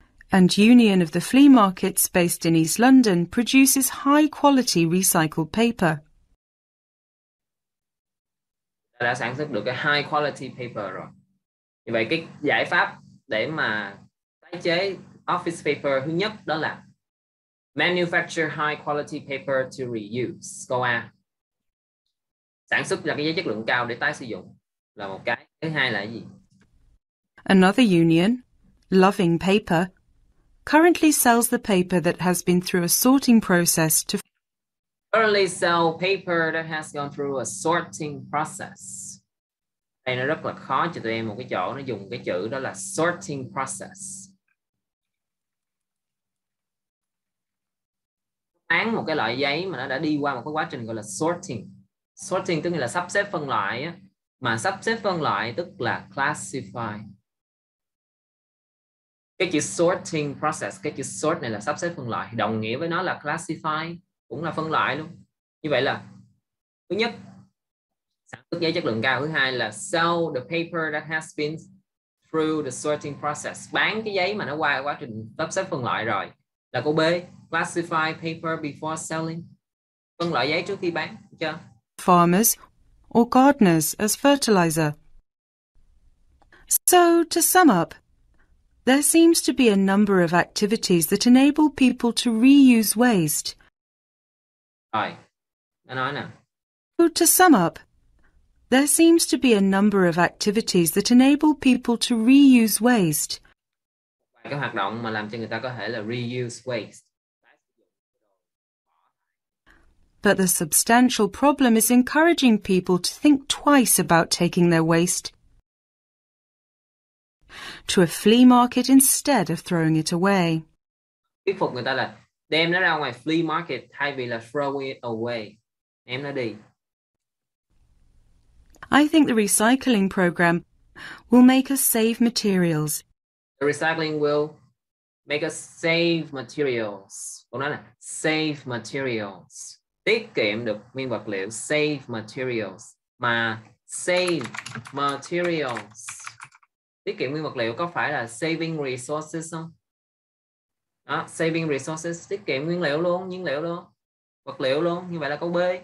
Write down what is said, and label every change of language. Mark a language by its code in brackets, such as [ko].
[en] And Union of the Flea Markets, based in East London, produces high-quality recycled paper. [vi] Đã sản xuất được cái [en] high-quality paper [vi] rồi. Như vậy, cái giải pháp để mà tái chế office paper thứ nhất đó là [en] manufacture high-quality paper to reuse. [vi] Câu A. Sản xuất ra cái giấy chất lượng cao để tái sử dụng là một cái. Thứ hai là gì? [en] Another Union, Loving Paper, currently sells the paper that has been through a sorting process to currently sell paper that has gone through a sorting process. [vi] Đây nó rất là khó cho tụi em một cái chỗ nó dùng cái chữ đó là sorting process. Bán một cái loại giấy mà nó đã đi qua một cái quá trình gọi là sorting. Sorting tức là sắp xếp phân loại á, mà sắp xếp phân loại tức là classify. Cái chữ sorting process, cái chữ sort này là sắp xếp phân loại, đồng nghĩa với nó là classify, cũng là phân loại luôn. Như vậy là thứ nhất, sản xuất giấy chất lượng cao. Thứ hai là [en] sell the paper that has been through the sorting process. [vi] Bán cái giấy mà nó qua quá trình sắp xếp phân loại rồi. Là câu B, [en] classify paper before selling. [vi] Phân loại giấy trước khi bán, chưa? [en] Farmers or gardeners as fertilizer. So, to sum up, there seems to be a number of activities that enable people to reuse waste. Hi. And I know. So to sum up, there seems to be a number of activities that enable people to reuse waste. [vi] Vài cái hoạt động mà làm cho người ta có thể là [en] reuse waste. But the substantial problem is encouraging people to think twice about taking their waste to a flea market instead of throwing it away. [vi] Thuyết phục người ta là đem nó ra ngoài flea market thay vì là [en] throw it away. [vi] Ném nó đi. [en] I think the recycling program will make us save materials. The recycling will make us save materials. [vi] Còn nói là [en] save materials. [vi] Tiết kiệm được nguyên vật liệu, save materials. [en] Mà save materials. [vi] Tiết kiệm nguyên vật liệu có phải là [en] saving resources [vi] không? Đó, saving resources, tiết kiệm nguyên liệu luôn, nhiên liệu luôn, vật liệu luôn. Như vậy là câu B.